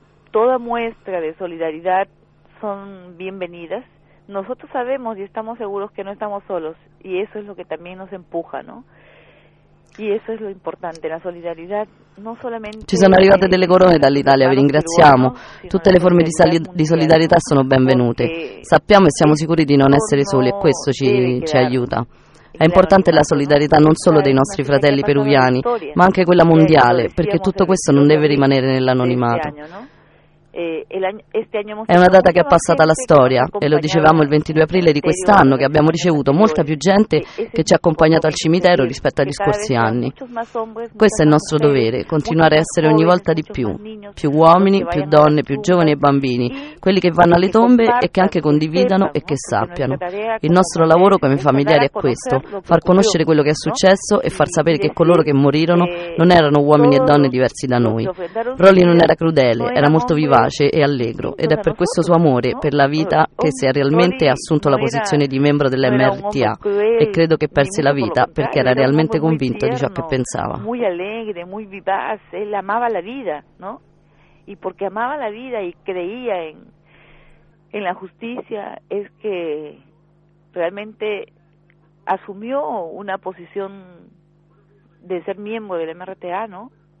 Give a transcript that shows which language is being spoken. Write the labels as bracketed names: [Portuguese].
[Spanish] Toda muestra de solidaridad son bienvenidas. Nosotros sabemos y estamos seguros que no estamos solos, y eso es lo que también nos empuja, ¿no? Y eso es lo importante, la solidaridad. No solamente [Italian] ci sono arrivate delle corone dall'Italia, vi ringraziamo. Tutte le forme di solidarietà sono benvenute. Sappiamo e siamo sicuri di non essere soli, e questo ci aiuta. È importante la solidarietà non solo dei nostri fratelli peruviani, ma anche quella mondiale, perché tutto questo non deve rimanere nell'anonimato. È una data che è passata alla storia, e lo dicevamo il 22 aprile di quest'anno, che abbiamo ricevuto molta più gente che ci ha accompagnato al cimitero rispetto agli scorsi anni. Questo è il nostro dovere, continuare a essere ogni volta di più, più uomini, più donne, più giovani e bambini, quelli che vanno alle tombe e che anche condividano e che sappiano. Il nostro lavoro come familiari è questo, far conoscere quello che è successo e far sapere che coloro che morirono non erano uomini e donne diversi da noi. Rolly non era crudele, era molto vivace, pace e allegro, ed è per questo suo amore per la vita che si è realmente assunto la posizione di membro dell'MRTA, e credo che perse la vita perché era realmente convinto di ciò che pensava. [Spanish] Muy alegre, muy vivaz, él amaba la vida, ¿no? Y porque amaba la vida y creía en la justicia, es que realmente asumió una posición de ser miembro del MRTA, ¿no?